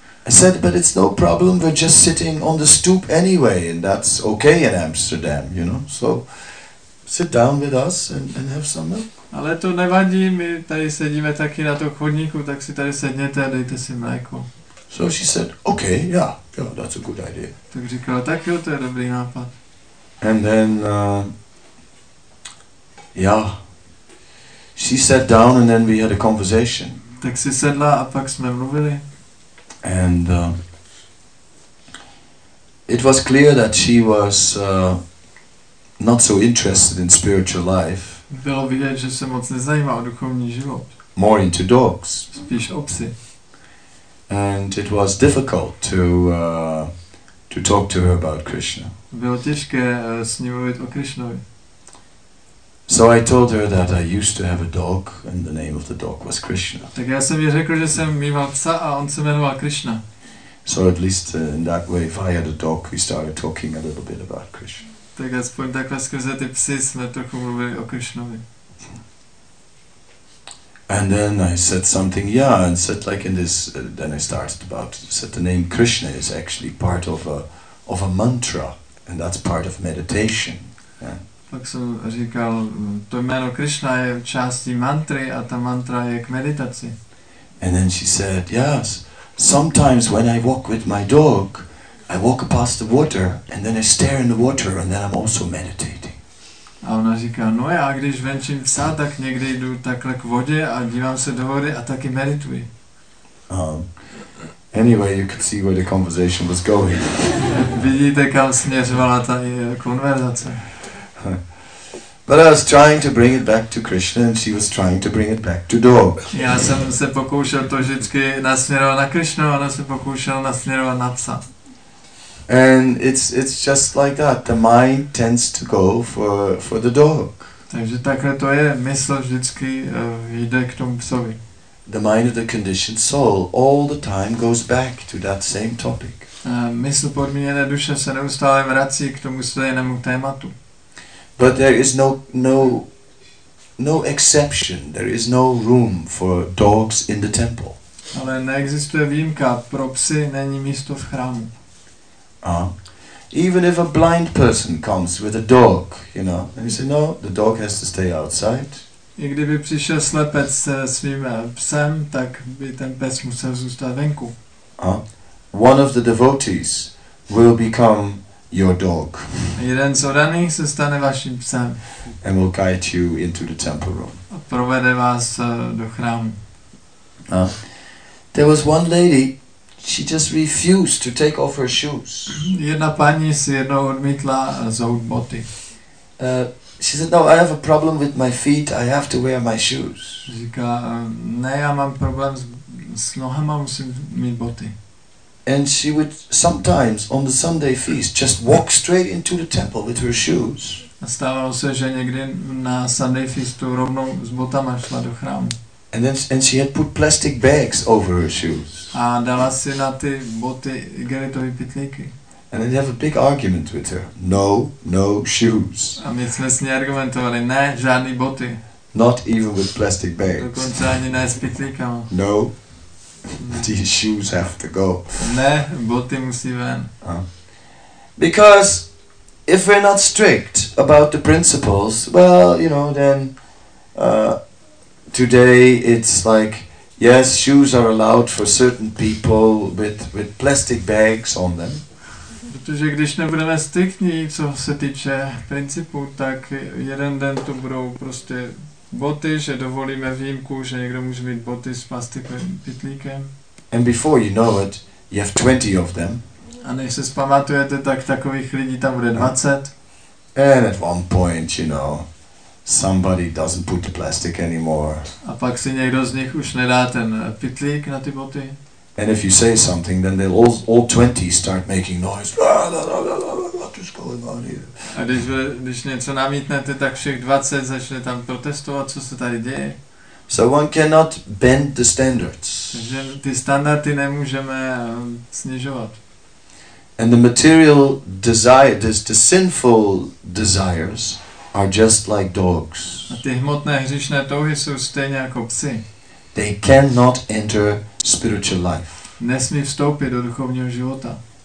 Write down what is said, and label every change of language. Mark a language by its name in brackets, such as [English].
[English] I said, but it's no problem, we're just sitting on the stoop anyway, and that's okay in Amsterdam, you know, so sit down with us and have some milk. [Czech] Ale to nevadí, my tady sedíme taky na tom chodníku, tak si tady sedněte a dejte si mléko. [English] So she said, okay, yeah, that's a good idea. [Czech] Tak říkala, tak jo, to je dobrý nápad. [English] And then, she sat down and then we had a conversation. [Czech] Tak si sedla a pak jsme mluvili. [English] And it was clear that she was not so interested in spiritual life. [Czech] Bylo vidět, že se moc nezajímá o duchovní život. [English] More into dogs. [Czech] Spíš o psy. [English] And it was difficult to talk to her about Krishna. [Czech] Bylo těžké s ní mluvit o Krishnovi. [English] So I told her that I used to have a dog, and the name of the dog was Krishna. [Czech] Tak já jsem jí řekl, že jsem měl psa a on se jmenoval Krishna. [English] So at least in that way, if I had a dog, we started talking a little bit about Krishna. [Czech] Tak aspoň takhle skrze ty psy jsme trochu mluvili o Krishnovi. [English] And then I said something, yeah, and said like in this, then I started about, said the name Krishna is actually part of a mantra, and that's part of meditation. [Czech] Tak jsem říkal, to jméno Krishna je částí mantry a ta mantra je k meditaci. [English] And then she said, yes, sometimes when I walk with my dog, I walk past the water, and then I stare in the water, and then I'm also meditating. [Czech] A ona říká, no já když venčím psa, tak někdy jdu takhle k vodě a dívám se do vody a taky medituji. [English] Anyway, you could see where the conversation was going. [Czech] Vidíte, kam směřovala ta konverzace. [English] But I was trying to bring it back to Krishna and she was trying to bring it back to dog. [Czech] Já jsem se pokoušel to vždycky nasměrovat na Krishna, ona se pokoušela nasměrovat na psa. [English] And it's just like that. The mind tends to go for the dog. [Czech] Takže takhle to je. Mysl vždycky jde k tomu psovi. [English] The mind of the conditioned soul all the time goes back to that same topic. [Czech] Mysl podmíněné duše se neustále vrací k tomu stejnému tématu. [English] But there is no exception. There is no room for dogs in the temple. [Czech] Ale neexistuje výjimka. Pro psy není místo v chrámu. [English] Even if a blind person comes with a dog, you know, and you say, no, the dog has to stay outside. [Czech] I kdyby přišel slepec se svým psem, tak by ten pes musel zůstat venku. [English] One of the devotees will become your dog. [Czech] Jeden z oddaných se stane vaším psem. [English] And will guide you into the temple room. [Czech] A provede vás do chrámu. [English] There was one lady. She just refused to take off her shoes. [Czech] Jedna paní si jednou odmítla zout boty. [English] She said, no, I have a problem with my feet, I have to wear my shoes. [Czech] Říká, ne, já mám problém s nohama, musím mít boty. [English] And she would sometimes, on the Sunday feast, just walk straight into the temple with her shoes. [Czech] A stávalo se, že někdy na Sunday feastu rovnou s botama šla do chrámu. [English] And she had put plastic bags over her shoes. [Czech] A dala si na ty boty igelitové pytlíky. [English] And then you have a big argument with her. No, no shoes. [Czech] A my jsme s ní argumentovali. Ne, žádný boty. [English] Not even with plastic bags. [Czech] Dokonce ani ne s pytlíkama. [English] No, these shoes have to go. [Czech] Ne, boty musí ven. [English] Because if we're not strict about the principles, well, you know, then... Today it's like, yes, shoes are allowed for certain people with plastic bags on them. [Czech] Protože když nebudeme striktní, co se týče principu, tak jeden den to budou prostě boty, že dovolíme výjimku, že někdo může mít boty s plastikovým pytlíkem. [English] And before you know it, you have 20 of them. [Czech] A než se zpamatujete, tak takových lidí tam bude 20. [English] And at one point, you know, somebody doesn't put the plastic anymore. [Czech] A pak si někdo z nich už nedá ten pytlík na ty boty. [English] And if you say something, then they'll all 20 start making noise. What is going on here? [Czech] A když něco namítnete, tak všech 20 začne tam protestovat, co se tady děje. [English] So one cannot bend the standards. [Czech] Takže ty standardy nemůžeme snižovat. [English] And the material desire, the sinful desires, are just like dogs. [Czech] A ty hmotné hříšné touhy jsou stejně jako psi. [English] They cannot enter spiritual life. [Czech] Nesmí vstoupit do duchovního života.